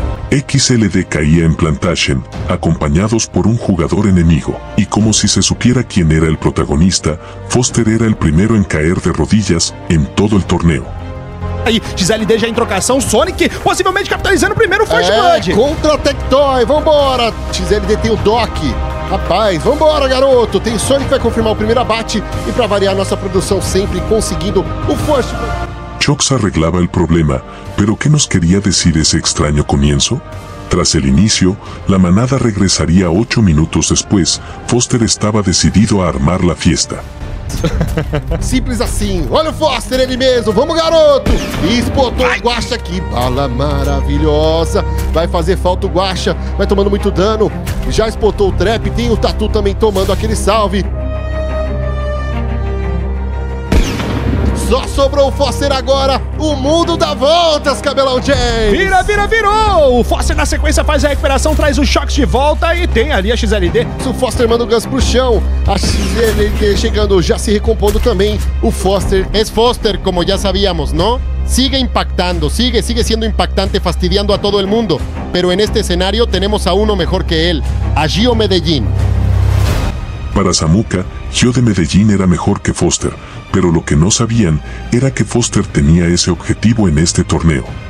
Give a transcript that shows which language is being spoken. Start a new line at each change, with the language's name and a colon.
Spanish: XLD caía en Plantagen, acompañados por un jugador enemigo. Y como si se supiera quién era el protagonista, Foster era el primero en caer de rodillas en todo el torneo.
Portuguese: Aí, XLD já em trocação, Sonic possivelmente capitalizando o primeiro First Blood. É, contra Tectoy, vambora! XLD tem o Doc. Rapaz, vambora, garoto! Tem Sonic que vai confirmar o primeiro abate e pra variar nossa produção sempre conseguindo o First Blood. Chox arreglaba el problema, pero ¿qué nos quería decir ese extraño comienzo? Tras el inicio, la manada regresaría 8 minutos después. Foster estaba decidido a armar la fiesta. Simples assim. Olha o Foster, ele mesmo. Vamos, garoto! Espotou o Guaxa, que bala maravilhosa. Vai fazer falta o Guaxa, vai tomando muito dano. Já espotou o Trap, tem o Tatu também tomando aquele salve. Só sobrou o Foster agora, o mundo dá voltas, Cabelão James! Virou! O Foster na sequência faz a recuperação, traz o Shox de volta e tem ali a XLD. O Foster manda o Gus pro chão, a XLD chegando, já se recompondo também. O Foster é Foster, como já sabíamos, não?
Spanish: Sigue impactando, sigue siendo impactante, fastidiando a todo el mundo. Pero en este escenario tenemos a uno mejor que él, a Gio Medellín. Para Samuka, Gio de Medellín era mejor que Foster. Pero lo que no sabían era que Foster tenía ese objetivo en este torneo.